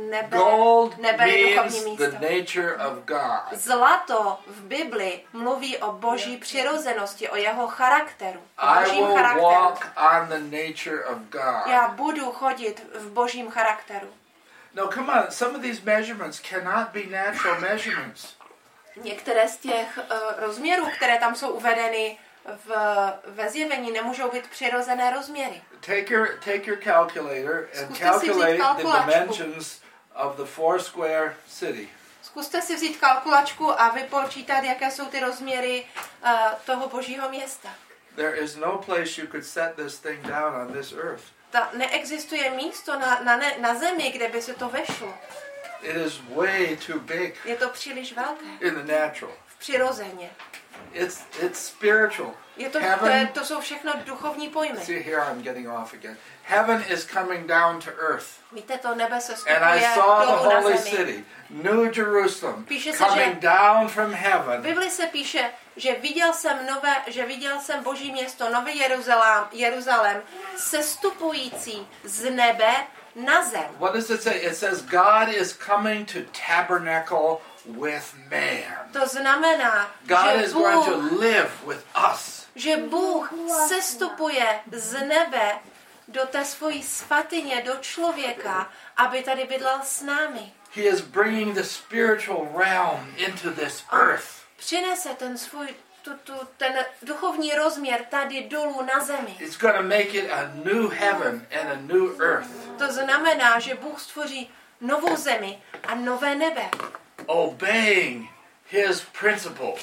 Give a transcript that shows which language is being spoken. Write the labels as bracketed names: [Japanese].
[English] Gold means the nature of God. [Czech] Zlato v Bibli mluví o Boží přirozenosti, o jeho charakteru, o Božím charakteru. [English] I will walk on the nature of God. [Czech] Já budu chodit v Božím charakteru. [English] Now come on, some of these measurements cannot be natural measurements. [Czech] Některé z těch rozměrů, které tam jsou uvedeny ve Zjevení, nemůžou být přirozené rozměry. [English] Take your calculator and calculate the dimensions of the four square city. [Czech] Zkuste si vzít kalkulačku a vypočítat, jaké jsou ty rozměry toho Božího města. [English] There is no place you could set this thing down on this earth. [Czech] Neexistuje místo na zemi, kde by se to vešlo. [English] It is way too big. [Czech] Je to příliš velké. [English] In the natural. [Czech] V přirozeně. [English] It's spiritual. [Czech] To jsou všechno duchovní pojmy. [English] See, here I'm getting off again. Heaven is coming down to earth. [Czech] Víte, to nebe se [English] stupuje. And I saw the holy city, New Jerusalem, coming down from heaven. [Czech] Bible se píše, že viděl jsem Boží město, nové Jeruzalém, sestupující z nebe na zem. [English] What does it say? It says God is coming to tabernacle with man. [Czech] To znamená, [English] God [Czech] že [English] is [Czech] Bůh, [English] going to live with us. [Czech] Že Bůh sestupuje z nebe do té svojí svatyně, do člověka, aby tady bydlel s námi. [English] He is bringing the spiritual realm into this earth. [Czech] Přinese ten svůj ten duchovní rozměr tady dolů na zemi. [English] It's going to make it a new heaven and a new earth. [Czech] To znamená, že Bůh stvoří novou zemi a nové nebe. [English] Obeying his principles.